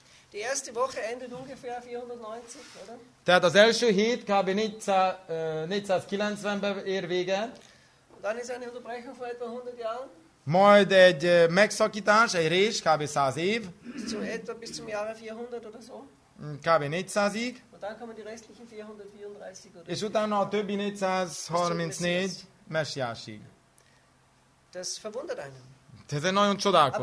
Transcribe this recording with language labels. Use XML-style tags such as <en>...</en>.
<de>Die erste Woche endet ungefähr 490, oder?</de> <hu>Tehát az első hét kb. 490-ben ér véget.</hu> <de>Dann ist eine Unterbrechung von etwa 100 Jahren.</de> <hu>Majd egy megszakítás, egy rés, kb. 100 év.</hu> <de>Bis zum Jahre 400 oder so.</de> <hu>Kb. 400-ig.</hu> <de>Und dann kommen die restlichen 434 oder.</de> <hu>És utána a többi 434 Messiásig.</hu> <de>Das verwundert einen.</de> <hu>Tehát ez nagyon csodálkozom.</hu>